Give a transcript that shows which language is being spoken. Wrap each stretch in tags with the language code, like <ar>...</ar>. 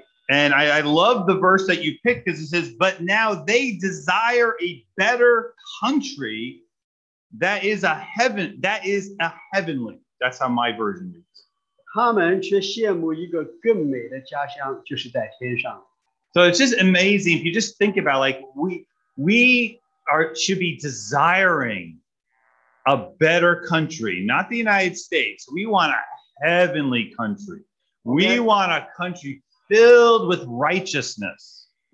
<en>And I love the verse that you picked because it says, but now they desire a better country that is a heaven, that is a heavenly. That's how my version reads.</en> <zh>他们却羡慕一个更美的家乡，就是在天上。</zh> <en>So it's just amazing if you just think about it, like we should be desiring a better country, not the United States. We want a heavenly country. Okay. We want a country filled with righteousness.</en>